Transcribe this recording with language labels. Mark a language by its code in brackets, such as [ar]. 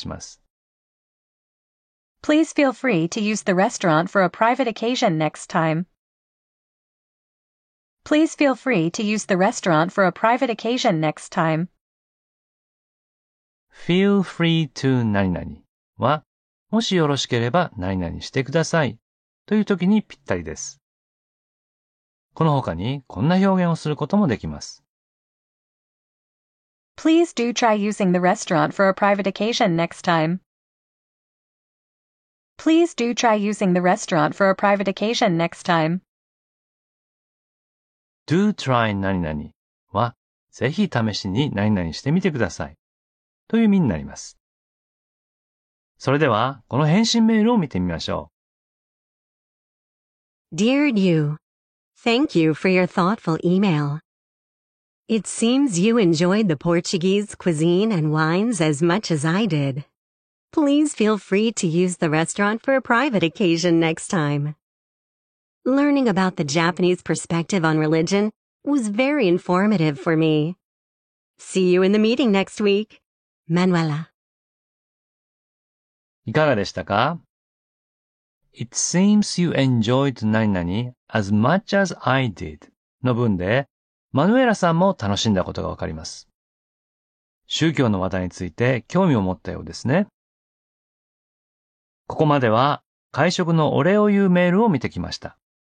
[en] feel free to use the restaurant for a private occasion next time. Please feel free to use the restaurant for a private occasion next time. Feel free to [ja] 何々は、もしよろしければ何々してくださいという時にぴったりです。この他に、こんな表現をすることもできます。 [en] Please do try using the restaurant for a private occasion next time. Please do try using the restaurant for a private occasion next time. Do try [ja] 何々は、ぜひ試しに何々してみてくださいという意味になります。それでは、この返信メールを見てみましょう。 [en] Dear Liu, thank you for your thoughtful email. It seems you enjoyed the Portuguese cuisine and wines as much as I did. Please feel free to use the restaurant for a private occasion next time. Learning about the Japanese perspective on religion was very informative for me. See you in the meeting next week. Manuela. [ja] いかがでしたか? [en] It seems you enjoyed [ja] 何々 [en] as much as I did [ja] の文で、 マヌエラさんも楽しんだことがわかります。宗教の話について興味を持ったようですね。ここまでは会食のお礼を言うメールを見てきました。